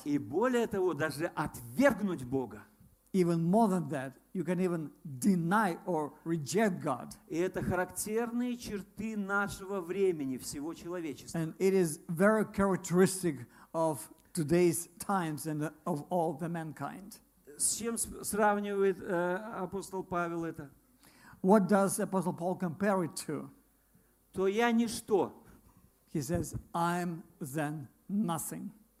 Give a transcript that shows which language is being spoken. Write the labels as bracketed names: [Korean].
[Russian] И более того, даже отвергнуть Бога. [English] Even more than that, you can even deny or reject God. [Russian] И это характерные черты нашего времени, всего человечества. [English] And it is very characteristic of today's times and of all the mankind. [Russian] С чем сравнивает апостол Павел это? [English] What does Apostle Paul compare it to? [Russian] То я ничто. [English] He says, I am then nothing.